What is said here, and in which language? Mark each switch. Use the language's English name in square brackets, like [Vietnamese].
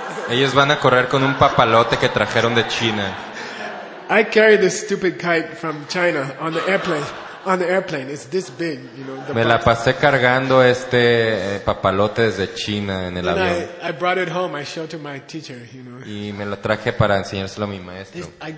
[Spanish] Ellos van a correr con un papalote que trajeron de China. [English] I carry this stupid kite from China on the airplane. On the airplane, it's this big, you know. [Spanish] Me la pasé cargando este papalote desde China en el avión. [English] I brought it home. I showed to my teacher, you know. [Spanish] Y me lo traje para enseñárselo a mi maestro.